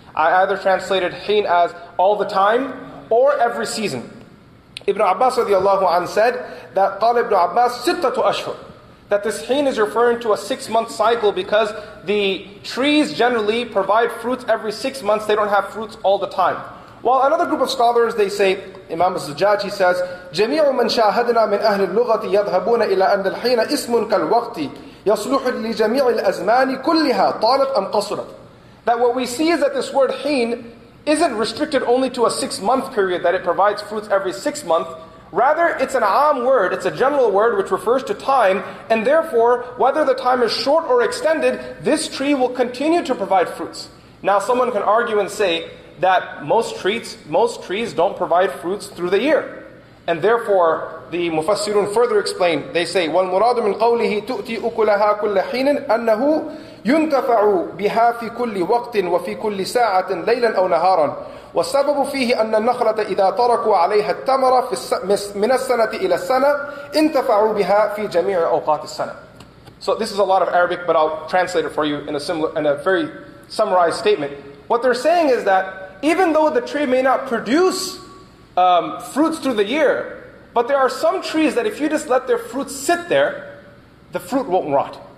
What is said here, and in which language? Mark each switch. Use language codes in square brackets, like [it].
[en] I either translated heen as all the time or every season. Ibn Abbas radiallahu anhu said that [ar] قال ابن عباس ستة أشهر, [en] that this heen is referring to a 6 month cycle because the trees generally provide fruits every 6 months, they don't have fruits all the time. While another group of scholars, they say, Imam Zujaj, he says, [ar] جميع من شاهدنا من أهل اللغة يذهبون إلى أن الحين اسم كالوقت يصلح لجميع الأزمان كلها طالت أم قصرت. [en] That what we see is that this word heen isn't restricted only to a 6 month period, that it provides fruits every 6 months. Rather, it's an aam word, it's a general word which refers to time, and therefore, whether the time is short or extended, this tree will continue to provide fruits. Now, someone can argue and say that most trees don't provide fruits through the year. And therefore, the Mufassirun further explain, they say, [ar] وَالْمُرَادُ مِنْ قَوْلِهِ تُؤْتِي أُكُلَهَا كُلَّ حِينٍ أَنَّهُ ينتفع بها في كل وقت وفي كل ساعة ليلا أو نهارا. والسبب فيه أن النخلة إذا تركوا عليها التمر من السنة إلى السنة انتفعوا بها في جميع أوقات السنة. [en] So this is a lot of Arabic, but I'll translate it for you in a very summarized statement. What they're saying is that even though the tree may not produce fruits through the year, but there are some trees that if you just let their fruits sit there, the fruit won't rot.